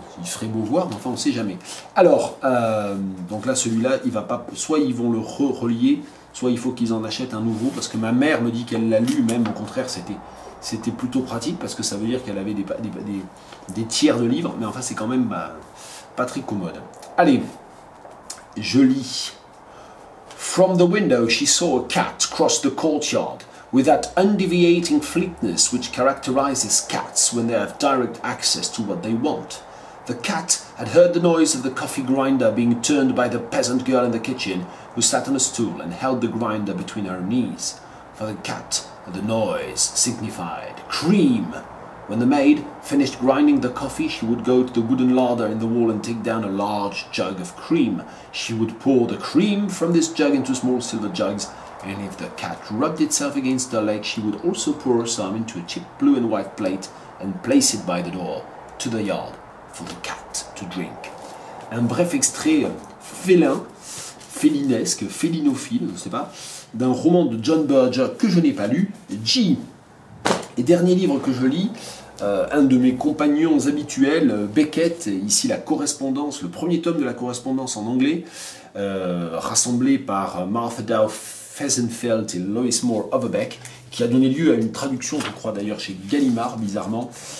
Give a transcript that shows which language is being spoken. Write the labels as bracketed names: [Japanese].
[French] Il serait beau voir, mais enfin on ne sait jamais. Alors, donc là celui-là, il va pas, soit ils vont le relier, soit il faut qu'ils en achètent un nouveau, parce que ma mère me dit qu'elle l'a lu, même au contraire c'était plutôt pratique, parce que ça veut dire qu'elle avait des tiers de livres, mais enfin c'est quand même... pas très commode. Allez, je lis. [English] From the window she saw a cat cross the courtyard with that undeviating fleetness which characterizes cats when they have direct access to what they want. The cat had heard the noise of the coffee grinder being turned by the peasant girl in the kitchen who sat on a stool and held the grinder between her knees. For the cat, the noise signified cream. When the maid finished grinding the coffee, she would go to the wooden larder in the wall and take down a large jug of cream. She would pour the cream from this jug into small silver jugs, and if the cat rubbed itself against her leg, she would also pour some into a cheap blue and white plate and place it by the door to the yard for the cat to drink. [French] Un bref extrait félin, félinesque, félinophile, je ne sais pas, d'un roman de John Berger que je n'ai pas lu, G. Et dernier livre que je lis, un de mes compagnons habituels, Beckett, ici la correspondance, le premier tome de la correspondance en anglais, rassemblé par Martha Dow Fessenfeld et Lois Moore Overbeck, qui a donné lieu à une traduction, je crois d'ailleurs, chez Gallimard, bizarrement.